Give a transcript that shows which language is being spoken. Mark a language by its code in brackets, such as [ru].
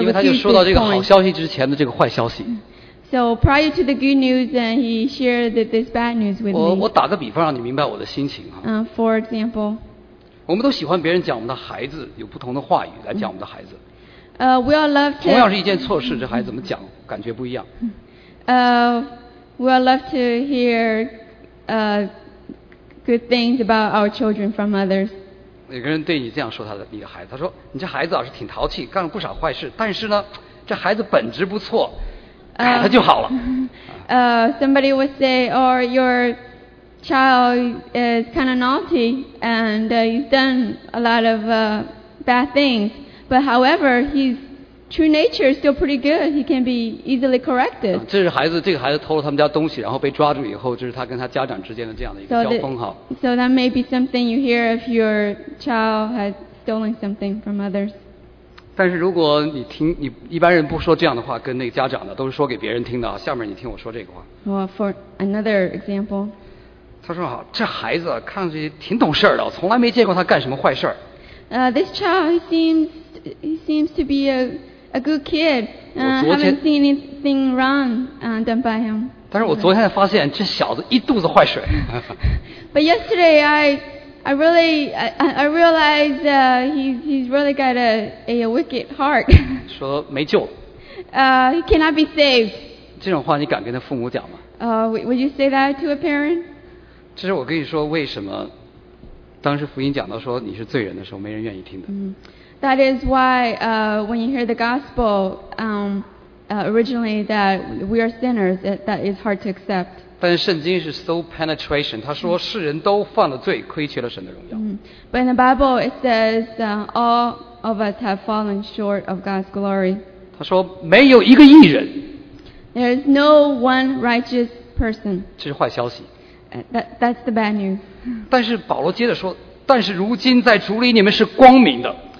[zh] 因为他就说到这个好消息之前的这个坏消息。 [en] So prior to the good news, and he shared this bad news with me. [zh] 我打个比方让你明白我的心情啊。 [en] For example. [zh] 我们都喜欢别人讲我们的孩子，有不同的话语来讲我们的孩子。 [en] We all love to. [zh] 同样是一件错事，这孩子怎么讲，感觉不一样。 [en] We all love to hear good things about our children from others. [zh] 有个人对你这样说他的你的孩子，他说你这孩子啊是挺淘气，干了不少坏事，但是呢，这孩子本质不错。改他就好了。 [en] Somebody would say, or your child is kind of naughty and he's done a lot of bad things. But however, his true nature is still pretty good. He can be easily corrected. [zh] 这个孩子偷了他们家东西，然后被抓住以后，这是他跟他家长之间的这样的一个交锋哈。 [en] So that may be something you hear if your child has stolen something from others. [zh] 但是如果你听，你一般人不说这样的话，跟那个家长的都是说给别人听的。下面你听我说这个话。 [en] Well, for another example. [zh] 他说啊，这孩子看上去挺懂事的，我从来没见过他干什么坏事。 [en] This child he seems to be a good kid. I haven't seen anything wrong done by him. [zh] 但是我昨天发现这小子一肚子坏水。 [en] But yesterday I realized he's really got a wicked heart. [zh] 说没救了。 [en] He cannot be saved. [zh] 这种话你敢跟他父母讲吗？ [en] Would you say that to a parent? [zh] 这是我跟你说为什么当时福音讲到说你是罪人的时候没人愿意听的。 [en] That is why when you hear the gospel originally that we are sinners, that is hard to accept. [zh] 但是圣经是 [en] so penetration, [zh] 他说世人都犯了罪亏缺了神的荣耀。 [en] But in the Bible it says all of us have fallen short of God's glory. [zh] 他说没有一个义人。 [en] There is no one righteous person. [zh] 这是坏消息。 [en] That's the bad news. [zh] 但是保罗接着说但是如今在主里你们是光明的。